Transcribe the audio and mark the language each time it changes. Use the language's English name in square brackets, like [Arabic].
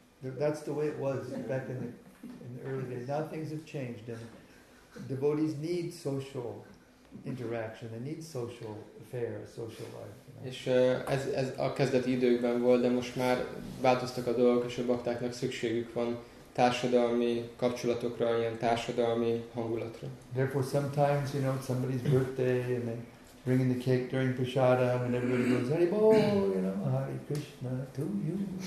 [English] That's the way it was back in the early days. Now things have changed, and devotees need social interaction. They need social affairs, social life. You know? [Hungarian] És ez a kezdeti időkben volt, de most már változtak a dolgok, és a baktáknak szükségük van társadalmi kapcsolatokra, ilyen társadalmi hangulatra. [English] Therefore, sometimes you know somebody's birthday, and they bringing the cake during prasada, and everybody goes, Hare Bol, you know, Hare Krishna to you.